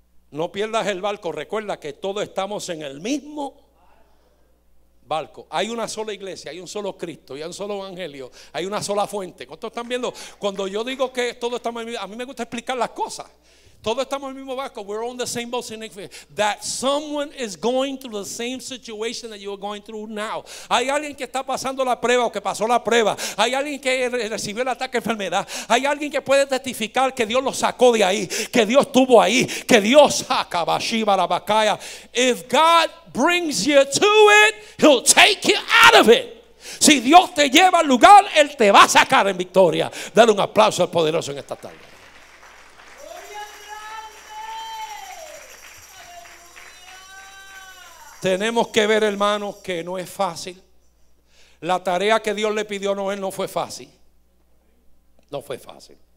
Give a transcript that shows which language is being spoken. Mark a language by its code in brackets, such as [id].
[es] No pierdas el barco. Recuerda que todos estamos en el mismo barco. Hay una sola iglesia, hay un solo Cristo, hay un solo evangelio, hay una sola fuente. ¿Cuántos están viendo? Cuando yo digo que todos estamos en el mismo, a mí me gusta explicar las cosas. Todos estamos en el mismo barco. [en] We're on the same boat. That someone is going through the same situation that you are going through now. [es] Hay alguien que está pasando la prueba o que pasó la prueba. Hay alguien que recibió el ataque de enfermedad. Hay alguien que puede testificar que Dios lo sacó de ahí, que Dios estuvo ahí, que Dios saca a Bashiba la Bacaya. [en] If God brings you to it, He'll take you out of it. [es] Si Dios te lleva al lugar, Él te va a sacar en victoria. Dale un aplauso al poderoso en esta tarde. Tenemos que ver, hermanos, que no es fácil. La tarea que Dios le pidió a Noé no fue fácil. No fue fácil.